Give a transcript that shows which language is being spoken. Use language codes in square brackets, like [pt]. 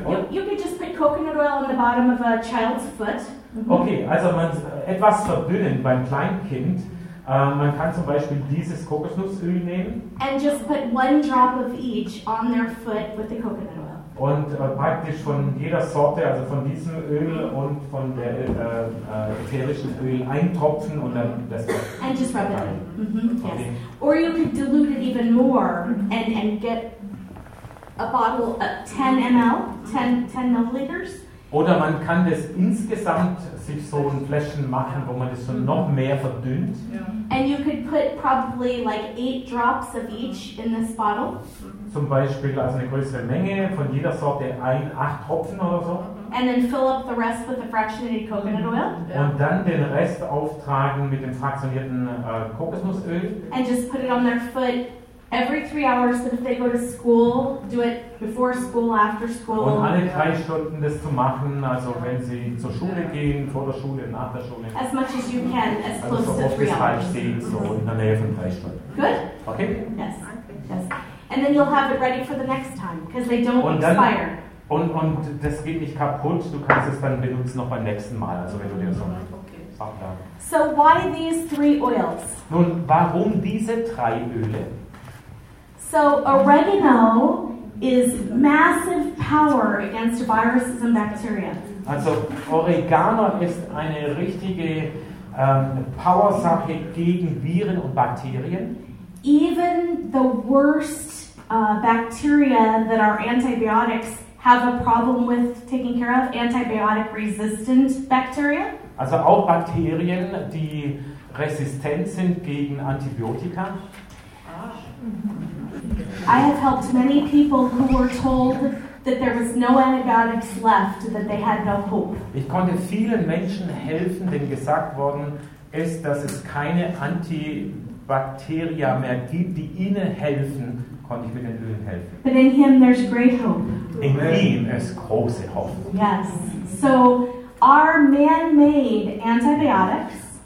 [en] You could just put coconut oil on the bottom of a child's foot. [de] Mm-hmm. Okay, also man etwas verdünnen beim Kleinkind. Man kann zum Beispiel dieses Kokosnussöl nehmen. [en] And just put one drop of each on their foot with the coconut oil. [de] Und praktisch von jeder Sorte, also von diesem Öl und von der ätherischen Öl eintropfen und dann das. [en] And just rub it in. Mm-hmm. Okay. Yes. Or you could dilute it even more and get a bottle of 10 milliliters. [de] Oder man kann das insgesamt sich so in Fläschchen machen, wo man das so noch mehr verdünnt. [en] Yeah. And you could put probably like 8 drops of each in this bottle. [de] Zum Beispiel also eine größere Menge von jeder Sorte 8 Tropfen oder so. [en] And then fill up the rest with the fractionated coconut oil. Yeah. [de] Und dann den Rest auftragen mit dem fraktionierten Kokosnussöl. [en] And just put it on their foot. Every 3 hours, so if they go to school, do it before school, after school. [de] Und alle 3 Stunden das zu machen, also wenn sie zur Schule gehen, vor der Schule, nach der Schule. [en] As much as you can, as close also so to 3 hours. [de] Also oft bis 5 so in der Nähe von 3 Stunden. [en] Good? Okay. Yes. Yes. And then you'll have it ready for the next time, because they don't [de] und [en] expire. [de] Dann, und das geht nicht kaputt, du kannst es dann benutzen noch beim nächsten Mal, also wenn du dir so [en] okay. So why these 3 oils? [de] Nun, warum diese 3 Öle? [en] So oregano is massive power against viruses and bacteria. [de] Also Oregano ist eine richtige Power-Sache gegen Viren und Bakterien. [en] Even the worst bacteria that our antibiotics have a problem with taking care of, antibiotic resistant bacteria. [de] Also auch Bakterien, die resistent sind gegen Antibiotika. [en] I have helped many people who were told that there was no antibiotics left, that they had no hope. [de] Ich konnte vielen Menschen helfen, denen gesagt worden ist, dass es keine Antibakterien mehr gibt, die ihnen helfen, konnte ich mit den Ölen helfen. [en] But in him there's great hope. [de] In ihm ist große Hoffnung. [en] Yes. So our man-made antibiotics,